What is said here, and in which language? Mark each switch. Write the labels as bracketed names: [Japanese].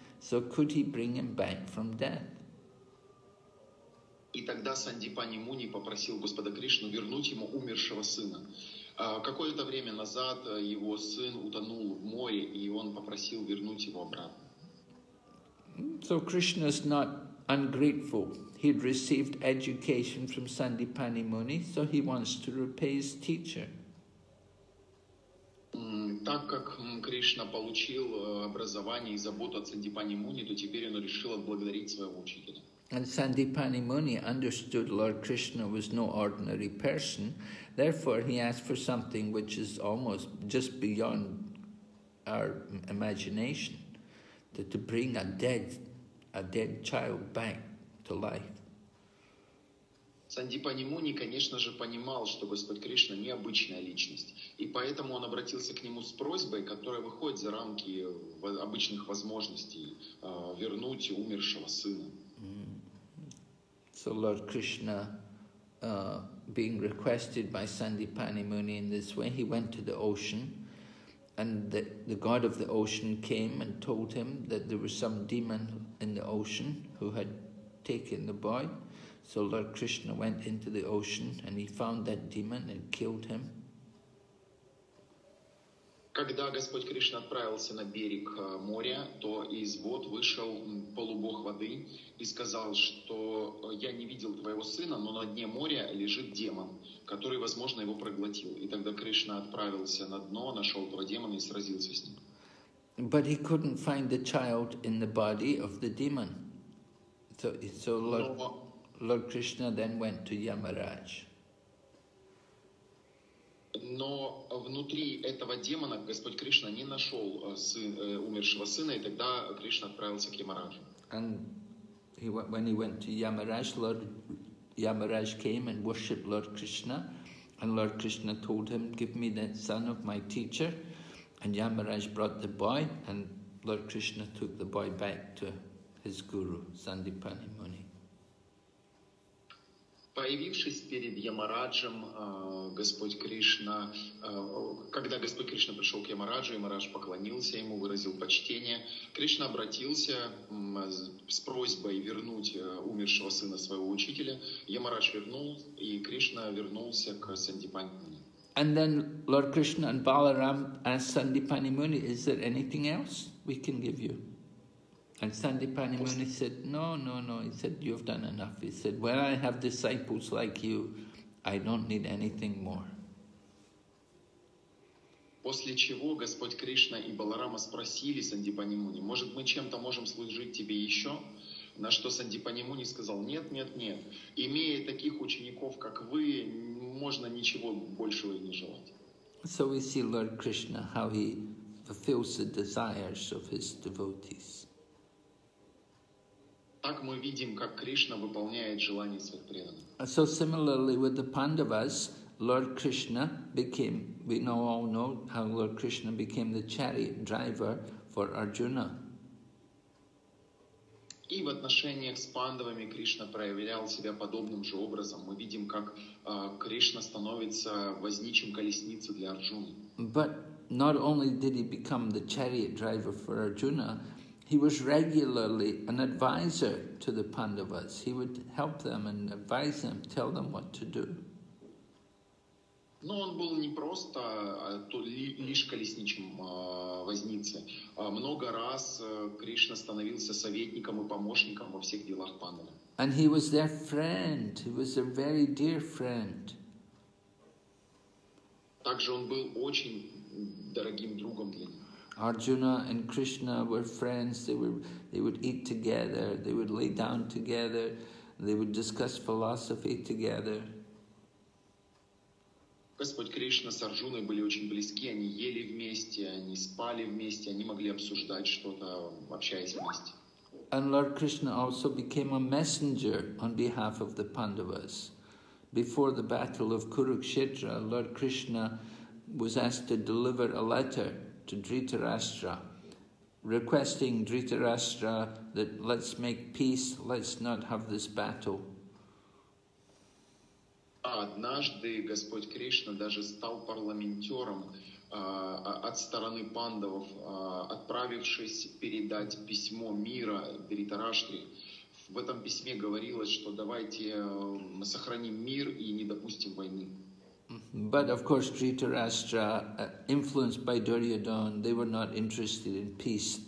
[English] So could he bring him back from death? [Russian] И тогда Сандипани Муни попросил Господа Кришну вернуть ему умершего сына. Какое-то время назад его сын утонул в море, и он попросил вернуть его обратно. [English] So Krishna is not ungrateful. He had received education from Sandipani Muni, so he wants to repay his teacher. [Russian] Так как Кришна получил образование и заботу от Сандипани Муни, то теперь он решил отблагодарить своего учителя. [English] And Sandipani Muni understood Lord Krishna was no ordinary person, therefore he asked for something which is almost just beyond our imagination, to bring a dead child back to life. [Russian] Сандипани Муни, конечно же, понимал, что Господь Кришна необычная личность, и поэтому он обратился к нему с просьбой, которая выходит за рамки обычных возможностей вернуть умершего сына. [English] So Lord Krishna, being requested by Sandipani Muni in this way, he went to the ocean, and the god of the ocean came and told him that there was some demon in the ocean who had taken the boy. So Lord Krishna went into the ocean and he found that demon and killed him. [Russian] Когда Господь Кришна отправился на берег моря, то из вод вышел полубог воды и сказал, что я не видел твоего сына, но на дне моря лежит демон, который, возможно, его проглотил. И тогда Кришна отправился на дно, нашел этого демона и сразился с ним. [English] But he couldn't find the child in the body of the demon. So Lord Krishna then went to Yamaraj. [Russian] Но внутри этого демона Господь Кришна не нашел умершего сына, и тогда Кришна отправился к Ямараджу. [English] And when he went to Yamaraj, Lord Yamaraj came and worshipped Lord Krishna, and Lord Krishna told him, give me that son of my teacher. And Yamaraj brought the boy, and Lord Krishna took the boy back to his guru, Sandipani Muni. [Russian] Появившись перед Ямараджем, Господь Кришна, когда Господь Кришна пришел к Ямараджу, Ямарадж поклонился ему, выразил почтение. Кришна обратился с просьбой вернуть умершего сына своего учителя. Ямарадж вернул, и Кришна вернулся к Сандипани Муни. [English] And then Lord Krishna and Balaram asked Sandipani Muni, is there anything else we can give you? And Sandipani Muni said, no, no, no. He said, you've done enough. He said, when I have disciples like you, I don't need anything more. [Russian] После чего Господь Кришна и Баларама спросили Сандипани Муни, может, мы чем-то можем служить тебе еще? На что Сандипани Муни сказал, нет, нет, нет. Имея таких учеников, как вы, можно ничего большего и не желать. [English] So we see Lord Krishna, how he fulfills the desires of his devotees. [Russian] Так мы видим, как Кришна выполняет желания своих преданных. [English] So similarly with the Pandavas, Lord Krishna became, we all know how Lord Krishna became the chariot driver for Arjuna. [Russian] И в отношениях с пандавами Кришна проявлял себя подобным же образом. Мы видим, как Кришна становится возничим колесницы для Арджуны. [English] But not only did he become the chariot driver for Arjuna, he was regularly an advisor to the Pandavas. He would help them and advise them, tell them what to do. [Russian] Но он был не просто лишь колесничим возницы. Много раз Кришна становился советником и помощником во всех делах Пандавы. [English] And he was their friend. He was a very dear friend. [Russian] Также он был очень дорогим другом для них. [English] Arjuna and Krishna were friends. They would eat together. They would lay down together. They would discuss philosophy together. [Russian] Господь Кришна с Арджуной были очень близки. Они ели вместе, они спали вместе, они могли обсуждать что-то, общаясь вместе. [English] And Lord Krishna also became a messenger on behalf of the Pandavas. Before the battle of Kurukshetra, Lord Krishna was asked to deliver a letter to Dhritarashtra, requesting Dhritarashtra that let's make peace, let's not have this battle. [Russian] Однажды Господь Кришна даже стал парламентером от стороны пандавов, отправившись передать письмо мира Дхритараштре. В этом письме говорилось, что давайте сохраним мир и не допустим войны. [English] But of course, Dhritarashtra, influenced by Duryodhana, they were not interested in peace.